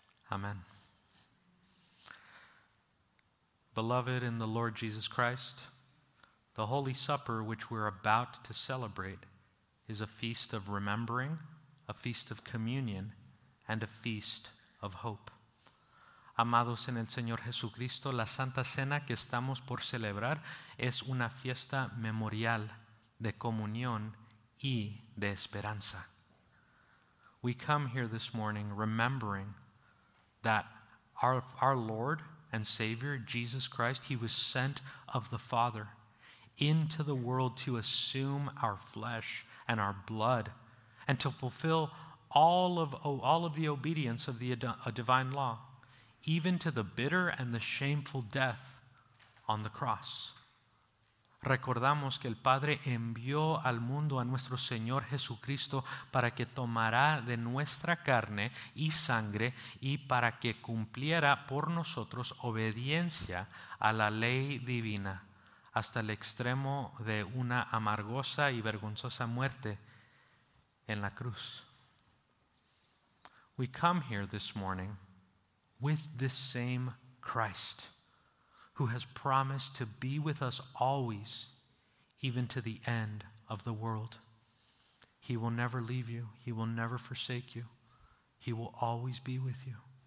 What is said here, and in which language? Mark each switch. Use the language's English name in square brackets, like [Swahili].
[English] Amen. Beloved in the Lord Jesus Christ, the Holy Supper which we're about to celebrate is a feast of remembering, a feast of communion, and a feast of hope. [Spanish] Amados en el Señor Jesucristo, la Santa Cena que estamos por celebrar es una fiesta memorial de comunión y de esperanza. [English] We come here this morning remembering that our Lord and Savior, Jesus Christ, he was sent of the Father into the world to assume our flesh and our blood and to fulfill all of the obedience of the divine law, even to the bitter and the shameful death on the cross. [Spanish] Recordamos que el Padre envió al mundo a nuestro Señor Jesucristo para que tomara de nuestra carne y sangre y para que cumpliera por nosotros obediencia a la ley divina hasta el extremo de una amargosa y vergonzosa muerte en la cruz. [English] We come here this morning with this same Christ, who has promised to be with us always, even to the end of the world. He will never leave you. He will never forsake you. He will always be with you.